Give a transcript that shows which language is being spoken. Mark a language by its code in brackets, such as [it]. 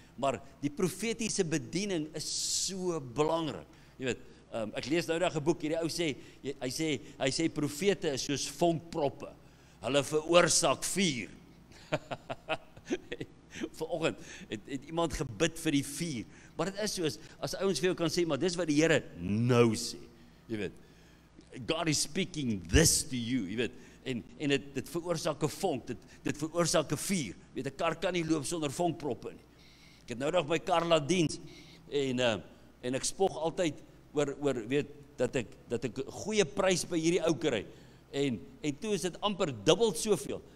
[af] Maar die profetiese bediening is so belangrik. Jy weet, ek lees nou daai boek, hierdie ou sê, hy sê profete is soos vonkproppe. Hulle veroorsaak vuur. Vanoggend het iemand gebid vir die vuur. Maar dit is soos, as ouens vir jou kan sê, maar dis wat die Here nou sê. Jy weet, [en] God is speaking this to you, [af] jy weet. En dit veroorsaak 'n vonk, dit veroorsaak 'n vuur. Jy weet, 'n kar kan nie loop sonder vonkproppe nie. Ek het nou nog my kar laat diens, en ek spog altyd oor weet, dat ek goeie prys by hierdie ou kry. En toe is dit amper dubbel soveel.